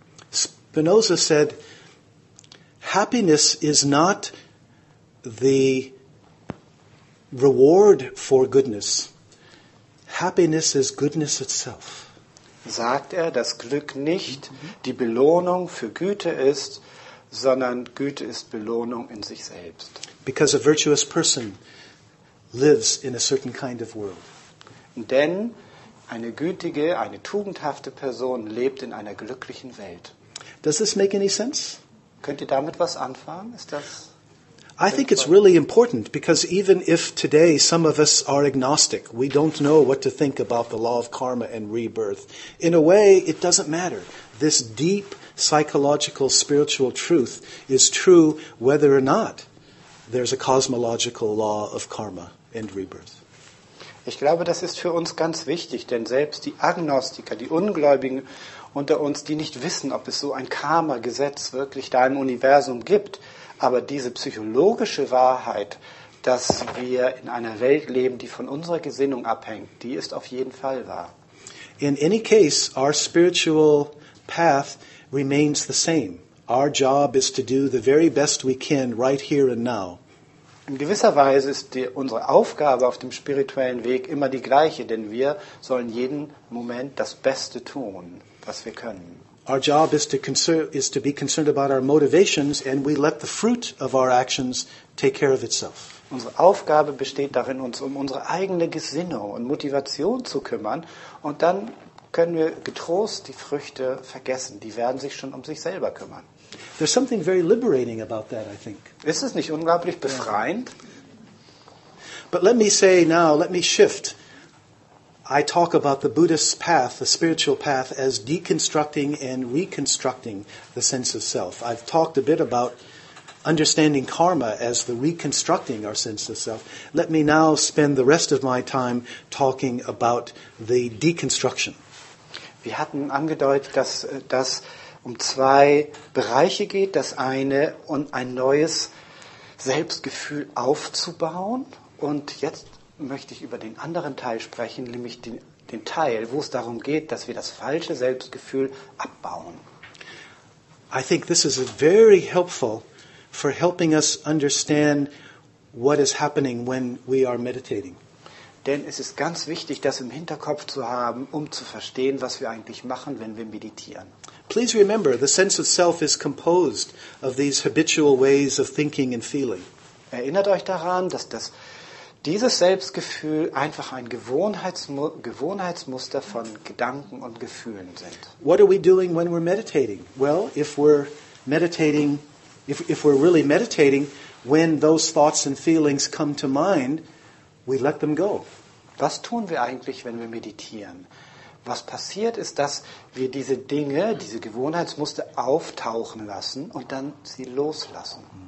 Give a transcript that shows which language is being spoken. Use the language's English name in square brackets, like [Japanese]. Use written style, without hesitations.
[English] Spinoza said, happiness is not the reward for goodness. Happiness is goodness itself. [German] Sagt er, dass Glück nicht die Belohnung für Güte ist, sondern Güte ist Belohnung in sich selbst. [English] Because a virtuous person lives in a certain kind of world. [German] Denn eine gütige, eine tugendhafte Person lebt in einer glücklichen Welt. [English] Does this make any sense? [German] Könnt ihr damit was anfangen? Ist das? [English] I think it's really important because even if today some of us are agnostic, we don't know what to think about the law of karma and rebirth. In a way, it doesn't matter. This deep psychological spiritual truth is true whether or not there's a cosmological law of karma and rebirth. [German] Ich glaube, das ist für uns ganz wichtig, denn selbst die Agnostiker, die Ungläubigen unter uns, die nicht wissen, ob es so ein Karma-Gesetz wirklich da im Universum gibt, aber diese psychologische Wahrheit, dass wir in einer Welt leben, die von unserer Gesinnung abhängt, die ist auf jeden Fall wahr. [English] In any case, our spiritual path remains the same. Our job is to do the very best we can right here and now. [German] In gewisser Weise ist unsere Aufgabe auf dem spirituellen Weg immer die gleiche, denn wir sollen jeden Moment das Beste tun, was wir können. [English] Our job is to be concerned about our motivations, and we let the fruit of our actions take care of itself. [German] Unsere Aufgabe besteht darin, uns unsere eigene Gesinnung und Motivation zu kümmern, und dann können wir getrost die Früchte vergessen. Die werden sich schon sich selber kümmern. [English] There's something very liberating about that, I think. [German] Ist es nicht unglaublich befreiend? [English] But let me say now, let me shift. I talk about the Buddhist path, the spiritual path, as deconstructing and reconstructing the sense of self. I've talked a bit about understanding karma as the reconstructing our sense of self. Let me now spend the rest of my time talking about the deconstruction. [German] Wir hatten angedeutet, dass das zwei Bereiche geht, das eine ein neues Selbstgefühl aufzubauen. Und jetzt möchte ich über den anderen Teil sprechen, nämlich den Teil, wo es darum geht, dass wir das falsche Selbstgefühl abbauen. [English] I think this is very helpful for helping us understand what is happening when we are meditating. [German] Denn es ist ganz wichtig, das im Hinterkopf zu haben, zu verstehen, was wir eigentlich machen, wenn wir meditieren. [English] Please remember, the sense of self is composed of these habitual ways of thinking and feeling. [German] Erinnert euch daran, dass dieses Selbstgefühl einfach ein Gewohnheitsmuster von Gedanken und Gefühlen sind. [English] What are we doing when we're meditating? Well, if we're really meditating, when those thoughts and feelings come to mind, we let them go. [German] Was tun wir eigentlich, wenn wir meditieren? Was passiert ist, dass wir diese Dinge, diese Gewohnheitsmuster auftauchen lassen und dann sie loslassen.